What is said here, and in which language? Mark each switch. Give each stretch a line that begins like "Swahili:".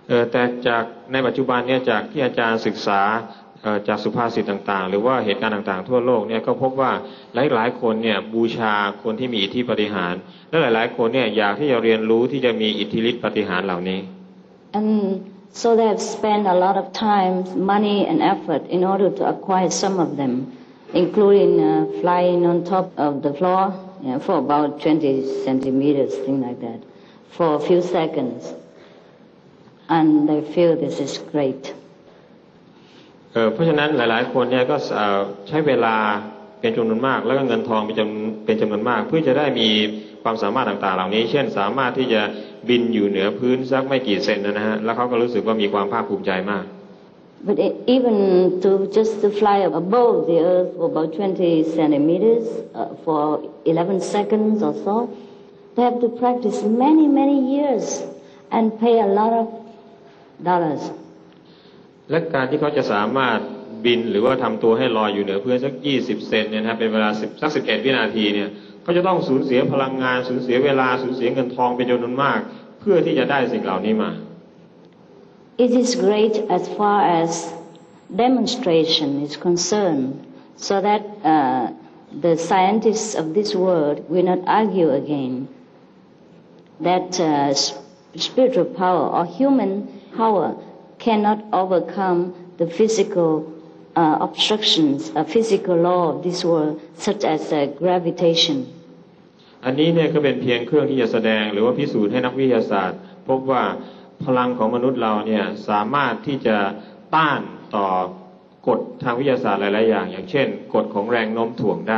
Thai: แต่จากในปัจจุบันเนี่ยจากที่อาจารย์ศึกษาจากสุภาษิตต่างๆหรือว่าเหตุการณ์ต่างๆทั่วโลกเนี่ยก็พบว่าหลายๆคนเนี่ยบูชาคนที่มีอิทธิปาฏิหาริย์และหลายๆคนเนี่ยอยากที่จะเรียนรู้ที่จะมีอิทธิฤทธิปาฏิหาริย์เหล่านี้
English: And so they have spent a lot of time, money and effort in order to acquire some of them, including flying on top of the floor, you know, for about 20 centimeters, thing like that, for a few seconds. And they feel this is great.
Thai: เพราะฉะนั้นหลายๆคนเนี่ยก็ใช้เวลาเป็นจำนวนมากแล้วก็เงินทองเป็นจำนวนมากเพื่อจะได้มีความสามารถต่างๆเหล่านี้เช่นสามารถที่จะบินอยู่เหนือพื้นสักไม่กี่เซนนะฮะแล้วเขาก็รู้สึกว่ามีความภาคภูมิใจมาก
English: But even to just to fly above the earth for about 20 centimeters for 11 seconds or so they have to practice many many years and pay a lot of dollars
Thai: และการที่เขาจะสามารถบินหรือว่าทำตัวให้ลอยอยู่เหนือเพื่อนสัก20เซนเนี่ยนะเป็นเวลาสัก11วินาทีเนี่ยเขาจะต้องสูญเสียพลังงานสูญเสียเวลาสูญเสียเงินทองเป็นจำนวนมากเพื่อที่จะได้สิ่งเหล่านี้มา
English: It is great as far as demonstration is concerned so that the scientists of this world will not argue again that spiritual power or human power cannot overcome the physicalobstructions, a physical law of this world, such as gravitation.
Thai: อันนี้เนี่ยก็เป็นเพียงเครื่องที่จะแสดงหรือว่าพิสูจน์ให้นักวิทยาศาสตร์พบว่าพลังของมนุษย์เราเนี่ยสามารถที่จะต้านต่อกฎทางวิทยาศาสตร์หลายๆอย่างอย่างเช่นกฎของแรงโน้มถ่วงได